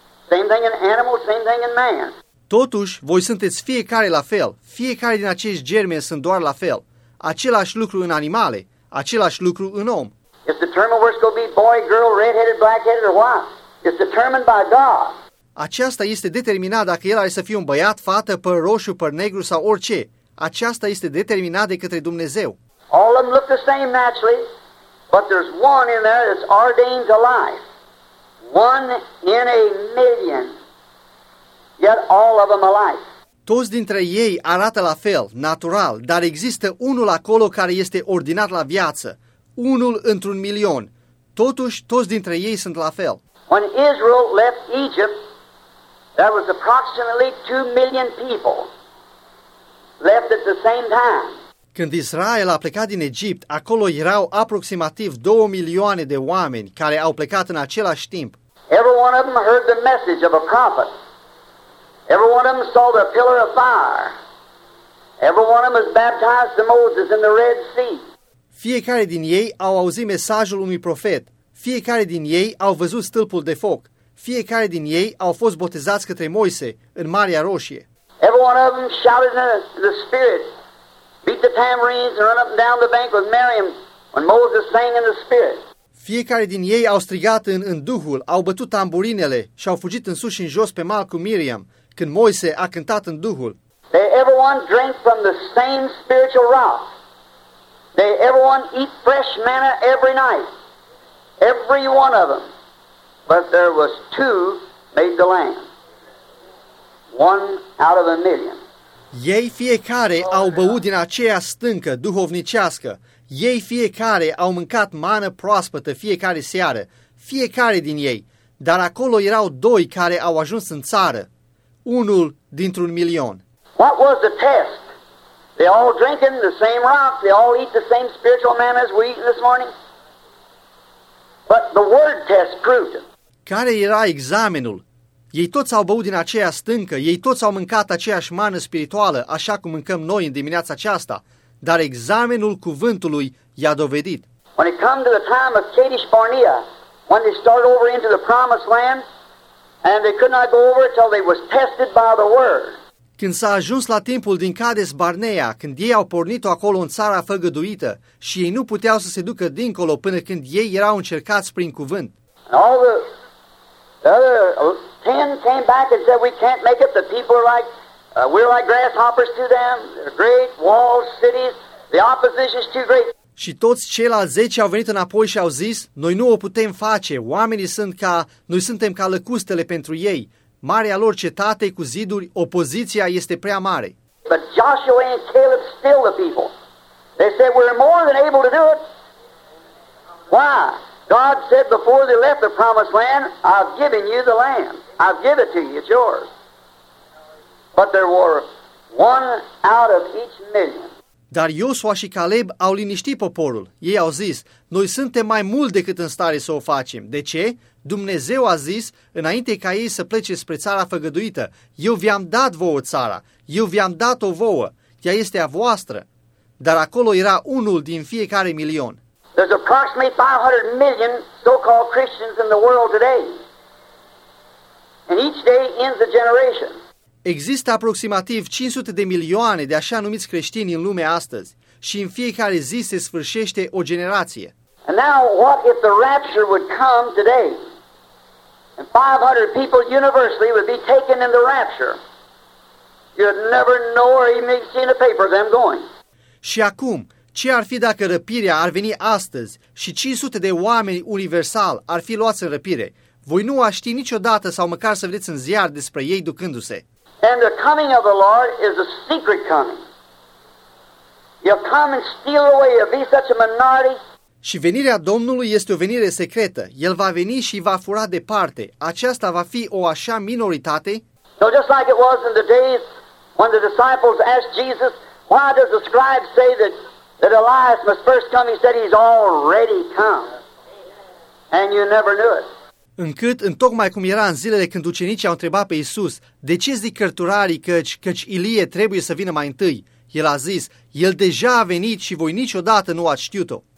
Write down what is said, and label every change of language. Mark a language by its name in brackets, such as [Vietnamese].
[English] Same thing in animal, same thing in man. [Romanian] Totuși, voi sunteți fiecare la fel. Fiecare din acești germeni sunt doar la fel. Același lucru în animale, același lucru în om. [English] It's determined where it's going to be boy, girl, red-headed, black-headed, or what? It's determined by God. [Romanian] Aceasta este determinat dacă el are să fie un băiat, fată, păr roșu, păr negru sau orice. Aceasta este determinat de către Dumnezeu. [English] All of them look the same naturally, but there's one in there that's ordained to life. One in a million. Yet all of them alike. [Romanian] Toți dintre ei arată la fel, natural, dar există unul acolo care este ordinat la viață. Unul într-un milion. Totuși, toți dintre ei sunt la fel. [English] When Israel left Egypt, there was approximately 2 million people left at the same time. [Romanian] Când Israel a plecat din Egipt, acolo erau aproximativ 2 milioane de oameni care au plecat în același timp. [English] Every one of them heard the message of a prophet. Every one of them saw the pillar of fire. Every one of them was baptized to Moses in the Red Sea. [Romanian] Fiecare din ei au auzit mesajul unui profet, fiecare din ei au văzut stâlpul de foc, fiecare din ei au fost botezați către Moise în Marea Roșie. [English] Every one of them shouted in the spirit, beat the tambourines and run up and down the bank with Miriam when Moses sang in the spirit. [Romanian] Fiecare din ei au strigat în duhul, au bătut tamburinele și au fugit în sus și în jos pe mal cu Miriam, când Moise a cântat în duhul. [English] They everyone drink from the same spiritual rock. They everyone eat fresh manna every night. Every one of them. But there was two made the land. One out of a million. [Romanian] Ei fiecare au băut din aceea stâncă duhovnicească. Ei fiecare au mâncat mană proaspătă fiecare seară, fiecare din ei, dar acolo erau doi care au ajuns în țară, unul dintr-un milion. [English] What was the test? They all drinking the same rock, they all eat the same spiritual manna as we're eating this morning? But the word test proved it. [Romanian] Care era examenul? Ei toți au băut din aceea stâncă, ei toți au mâncat aceeași mană spirituală, așa cum mâncăm noi în dimineața aceasta. Dar examenul cuvântului i-a dovedit. [English] When it come to the time of Kadesh Barnea, when they started over into the promised land, and they could not go over till they was tested by the word. [Romanian] Când s-a ajuns la timpul din Kadesh Barnea, când ei au pornit-o acolo în țara făgăduită, și ei nu puteau să se ducă dincolo până când ei erau încercați prin cuvânt. [English] And all the other 10 came back and said, we can't make it, the people are like, we're like grasshoppers to them. They're great walls, cities. The opposition is too great. [Romanian] Și toți ceilalți 10 au venit înapoi și au zis: noi nu o putem face. Oamenii sunt ca noi suntem ca lăcustele pentru ei. Marea lor cetate cu ziduri, opoziția este prea mare. [English] But Joshua and Caleb still the people. They said we're more than able to do it. Why? God said before they left the promised land, I've given you the land. I've given it to you. It's yours. But there were one out of each million. [Romanian] Dar Iosua și Caleb au liniștit poporul. Ei au zis: noi suntem mai mult decât în stare să o facem. De ce? Dumnezeu a zis, înainte ca ei să plece spre țara făgăduită: eu vi-am dat vouă țara, eu vi-am dat-o vouă, ea este a voastră. Dar acolo era unul din fiecare milion. [English] There's approximately 500 million so-called Christians in the world today. And each day ends a generation. [Romanian] Există aproximativ 500 de milioane de așa numiți creștini în lume astăzi și în fiecare zi se sfârșește o generație. [English] And now what if the rapture would come today? And 500 people universally would be taken in the rapture. You'd never know or even see in the paper them going. [Romanian] Și acum, ce ar fi dacă răpirea ar veni astăzi și 500 de oameni universal ar fi luați în răpire? Voi nu aș ști niciodată sau măcar să vedeți în ziar despre ei ducându-se. [English] And the coming of the Lord is a secret coming. He'll come and steal away. He'll be such a minority. [Romanian] Și venirea Domnului este o venire secretă. El va veni și va fura departe. Aceasta va fi o așa minoritate. [English] So just like it was in the days when the disciples asked Jesus, why does the scribe say that Elias must first come? He said he's already come. And you never knew it. [Romanian] Încât, întocmai cum era în zilele când ucenicii au întrebat pe Iisus, de ce zic cărturarii căci Ilie trebuie să vină mai întâi? El a zis, el deja a venit și voi niciodată nu ați știut-o.